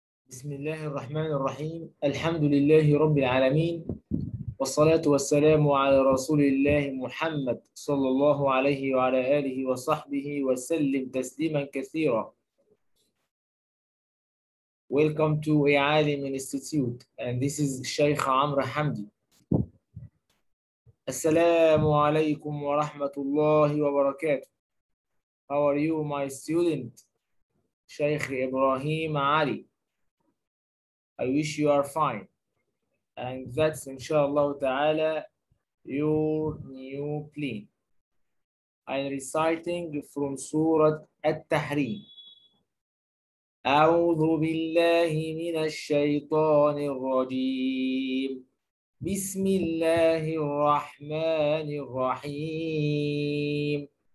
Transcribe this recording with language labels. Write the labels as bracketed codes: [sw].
[ar] بسم الله الرحمن الرحيم، الحمد لله رب العالمين، والصلاة والسلام على رسول الله محمد صلى الله عليه وعلى آله وصحبه وسلم تسليما كثيرا. [en] Welcome to Ealim Institute, and this is Sheikh Amr Hamdi. [ar] Assalamu alaikum wa rahmatullahi wa barakatuh. [en] How are you, my student, Sheikh Ibrahim Ali? I wish you are fine. And that's, inshallah ta'ala, your new plan. I'm reciting from Surah At-Tahrim. [ar] أعوذ بالله من الشيطان الرجيم. بسم الله الرحمن الرحيم.